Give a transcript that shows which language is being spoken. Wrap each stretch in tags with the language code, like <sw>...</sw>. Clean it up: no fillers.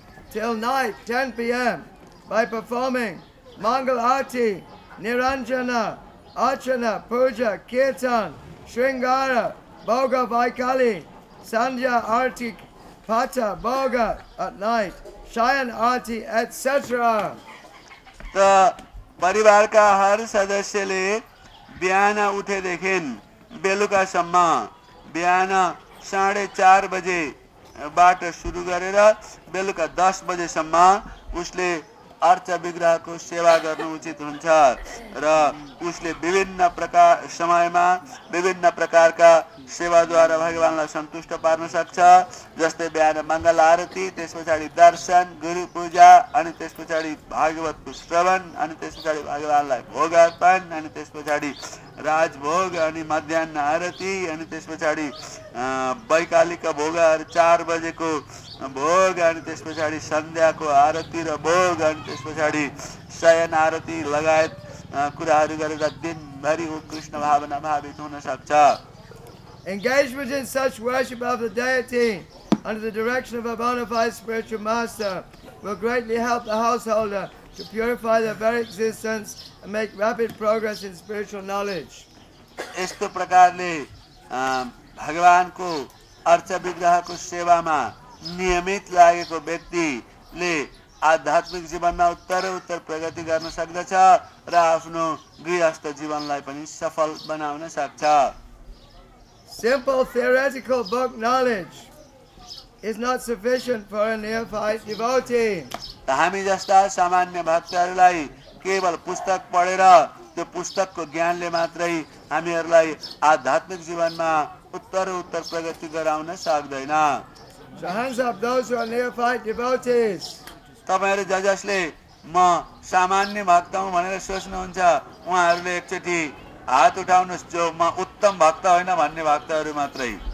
<en>till night 10 p.m. by performing Mangal Aarti, Niranjana, Archana, Puja, Kirtan, Shringara, Bhoga Vaikali, Sandhya Aarti, Pata, Bhoga at night. Shayan Aarti, etc.</en> <ne>The परिवार का हर सदस्य ले बयान उठे देखें बेलुका सम्मा बयान 4:30 बजे बाट शुरू करेर बेलुका 10 बजे सम्मा उसले अर्च विग्रह को सेवा गर्नु उचित हुन्छ र उसले विभिन्न प्रकार समयमा विभिन्न प्रकार का सेवा द्वारा भगवानलाई सन्तुष्ट पार्न सक्छ जस्तै बिहान मंगल आरती त्यसपछि दर्शन गुरु पूजा अनि त्यसपछि भागवत श्रवण अनि त्यसपछि भगवानलाई भोग अर्पण अनि त्यसपछि राजभोग अनि मध्याह्न आरती अनि त्यसपछि वैकालिक भोग 4 बजेको भोग अनि त्यसपछि सन्ध्याको आरती र भोग अनि त्यसपछि शयन आरती लगायत कुराहरू गरेर दिनभरि कृष्ण भावना भावित हुन सक्छ</ne> <en>Engagement in such worship of the deity under the direction of a bona fide spiritual master will greatly help the householder to purify their very existence and make rapid progress in spiritual knowledge.</en> <ne>यस्तो प्रकारले भगवानको urge विग्रहको सेवामा नियमित लागेको व्यक्तिले आध्यात्मिक जीवनमा उत्तरोत्तर प्रगति गर्न सक्दछ र आफ्नो गृहस्थ जीवनलाई पनि सफल बनाउन सक्छ।</ne> <en>Simple theoretical book knowledge is not sufficient for a neophyte devotee.</en> <ne>हामी जस्ता सामान्य भक्तहरूलाई केवल पुस्तक पढेर त्यो पुस्तकको ज्ञानले मात्रै हामीहरूलाई आध्यात्मिक जीवनमा उत्तरोत्तर प्रगति गराउन सक्दैन।</ne> <en>So hands up those who are neophyte devotees.</en> <ne>तपाईहरू जजसले म सामान्य भक्त हुँ भनेर सोच्नुहुन्छ उहाँहरूले एकचोटि हात उठाउनुस् जो म उत्तम भक्त होइन भन्ने भक्तहरू मात्रै</ne>